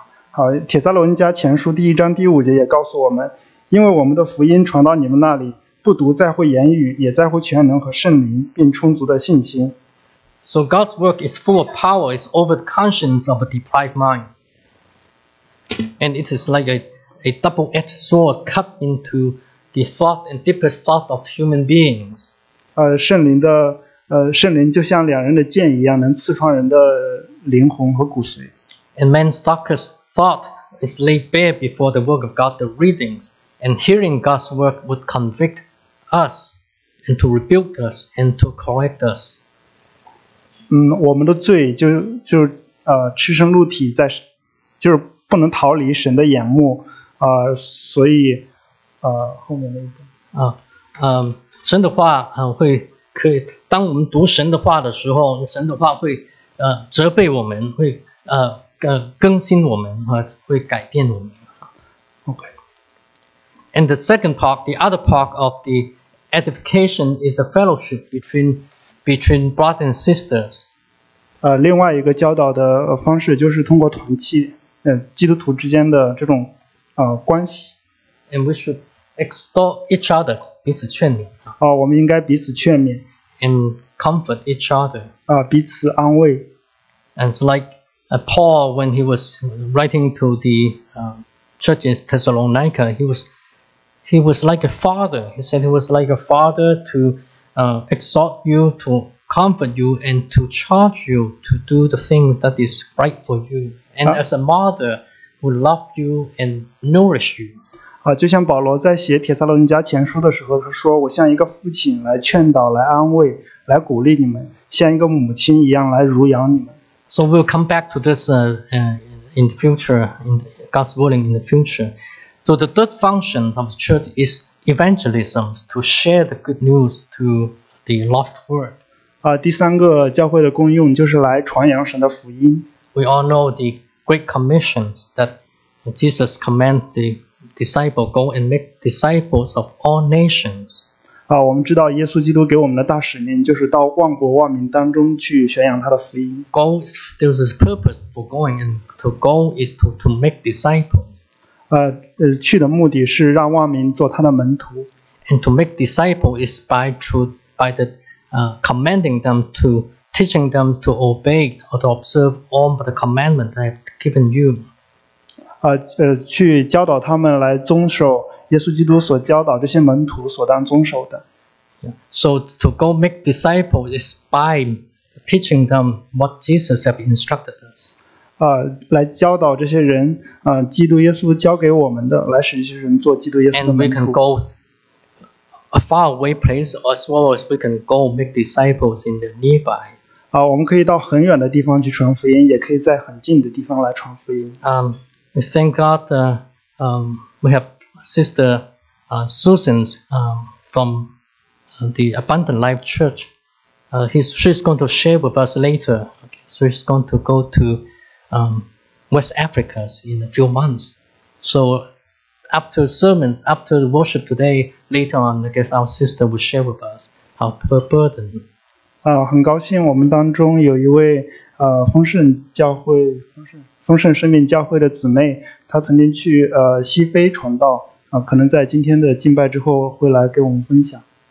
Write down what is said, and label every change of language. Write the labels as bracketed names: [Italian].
[Chinese] 好，帖撒罗尼迦前书第一章第五节也告诉我们，因为我们的福音传到你们那里，不独在乎言语，也在乎全能和圣灵，并充足的信心。 [English] So God's work is full of power, it's over the conscience of a deprived mind. And it is like a double-edged sword cut into the thought and deepest thought of human beings. [Chinese] 圣灵就像两人的剑一样，能刺穿人的灵魂和骨髓。 [English] And man's darkest thought is laid bare before the work of God, the readings, and hearing God's work would convict us and to rebuke us and to correct us. [Chinese] 我们的罪就赤身露体在，就是不能逃离神的眼目，所以，后面那一段。神的话，会可以，当我们读神的话的时候，神的话会，责备我们，会，更新我们和会改变我们。 [English] Okay. And the second part, the other part of the edification is a fellowship between brothers and sisters. [Chinese] 另外一个教导的方式就是通过团契，基督徒之间的这种关系。 [English] And we should exhort each other, [Chinese] 彼此劝勉。我们应该彼此劝勉。 [English] And comfort each other. [Chinese] 彼此安慰。 [English] And it's like Paul, when he was writing to the church in Thessalonica, he was like a father. He said he was like a father to exhort you, to comfort you, and to charge you to do the things that is right for you. And as a mother who loved you and nourished you. [Chinese] 就像保罗在写帖撒罗尼迦前书的时候，他说我像一个父亲来劝导、来安慰、来鼓励你们，像一个母亲一样来濡养你们。 [English] So we'll come back to this in the future, in God's willing in the future. So the third function of the church is evangelism, to share the good news to the lost world. [Chinese] 第三个教会的功用就是来传扬神的福音。 [English] We all know the great commissions that Jesus commanded the disciples, go and make disciples of all nations. [Chinese] 我们知道耶稣基督给我们的大使命就是到万国万民当中去宣扬他的福音。 [English] There's a purpose for going, and to go is to make disciples. [Chinese] 去的目的是让万民做他的门徒。 [English] And to make disciples is commanding them, to teaching them to obey or to observe all the commandments I've given you. [Chinese] 去教导他们来遵守耶稣基督所教导这些门徒所当遵守的。 [English] So to go make disciples is by teaching them what Jesus have instructed us. [Chinese] 来教导这些人，基督耶稣教给我们的，来使这些人做基督耶稣的门徒。 [English] And we can go a far away place, as well as we can go make disciples in the nearby. [Chinese] 我们可以到很远的地方去传福音，也可以在很近的地方来传福音。 [English] We thank God, we have Sister Susan's from the Abundant Life Church. She's going to share with us later. She's going to go to West Africa in a few months. So after the worship today, later on, I guess our sister will share with us her burden. [Chinese] 很高兴我们当中有一位丰盛教会丰盛生命教会的姊妹，她曾经去西非传道。可能在今天的敬拜之后会来给我们分享。